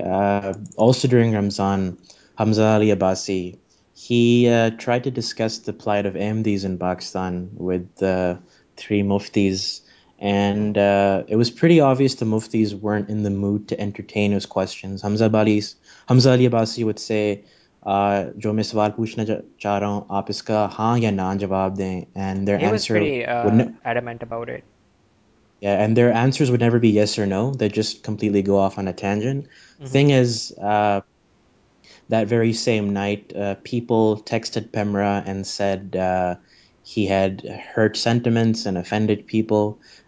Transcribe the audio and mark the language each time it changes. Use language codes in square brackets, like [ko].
[en] Also during Ramzan, Hamza Ali Abbasi, he tried to discuss the plight of Ahmadis in Pakistan with the three muftis. And it was pretty obvious the muftis weren't in the mood to entertain his questions. Hamza Ali Abbasi would say, [ur] "جو میں سوال پوچھنا چاہ رہا ہوں، آپ اس کا ہاں یا ناں جواب دیں۔" [en] And their He was answer pretty would no adamant about it. yeah, and their answers would never be yes or no. They'd just completely go off on a tangent. Thing is, that very same night, people texted Pemra and said, he had hurt sentiments and offended people.